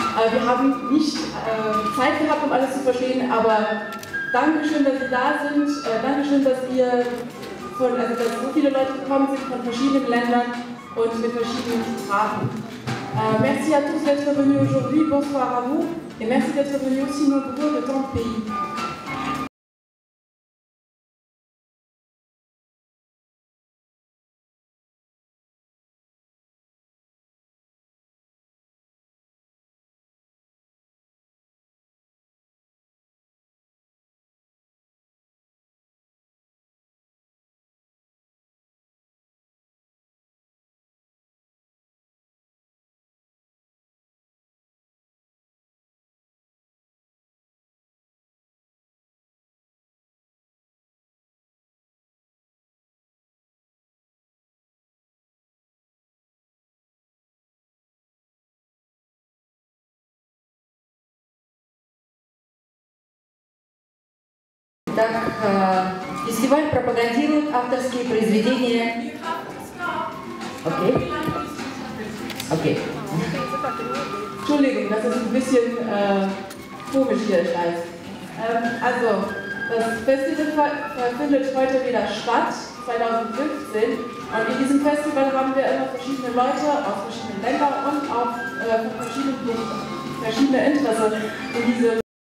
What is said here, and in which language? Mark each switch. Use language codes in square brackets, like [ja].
[de] Wir haben nicht Zeit gehabt, um alles zu verstehen, aber Dankeschön, dass Sie da sind. Dankeschön, dass ihr von, also dass so viele Leute gekommen sind von verschiedenen Ländern und mit verschiedenen Sprachen. [fr] Merci à tous d'être venus aujourd'hui. Bonsoir à vous. Et merci d'être venus aussi nombreux de tant de pays. [ru] Так, фестиваль пропагандирует авторские произведения. Окей. Окей. [de] Entschuldigung, das ist ein bisschen komisch hier, ich weiß. Also, das Festival findet heute wieder statt, 2015. Und in diesem Festival haben wir immer verschiedene Leute aus verschiedenen Ländern und auch verschiedene Interessen in diese.